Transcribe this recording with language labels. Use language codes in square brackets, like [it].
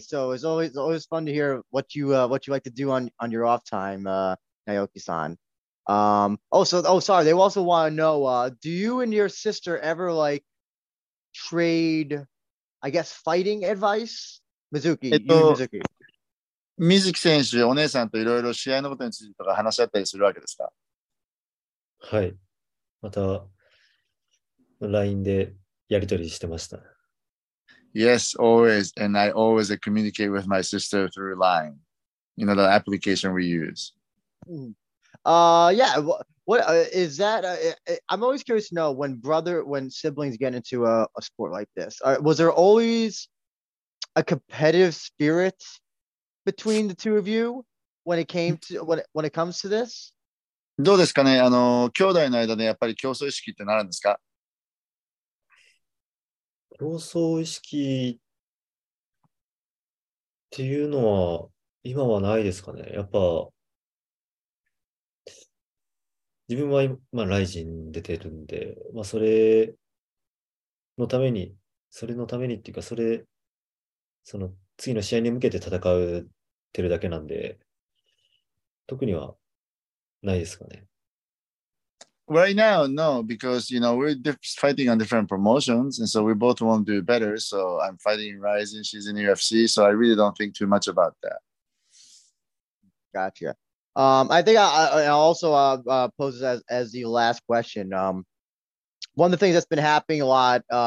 [en] So it's always fun to hear what you like to do on your off time, Naoki-san. Sorry. They also want to know, do you and your sister ever like trade, I guess, fighting advice? Mizuki, [ja] Mizuki 選手、お姉さんといろいろ試合のことについてとか話し合ったりするわけですか？はい。また、LINE でやり取りしてました。 [en] Yes, always. And I always communicate with my sister through LINE, you know, the application we use.、 Mm. Yeah, what is that? I'm always curious to know when siblings get into a sport like this, was there always a competitive spirit between the two of you when it comes to this? [ja] どうですかね、あの、兄弟の間でやっぱり競争意識ってなるんですか？競争意識っていうのは今はないですかね、やっぱ自分は今、まあ、ライジン出てるんで、まあ、それのためにっていうか、その次の試合に向けて戦うてるだけなんで、特にはないですかね。 [en] Right now, no, because, you know, we're fighting on different promotions, and so we both want to do better, so I'm fighting Ryzen, she's in UFC, so I really don't think too much about that. Gotcha. I think I also pose it as the last question. One of the things that's been happening a lot,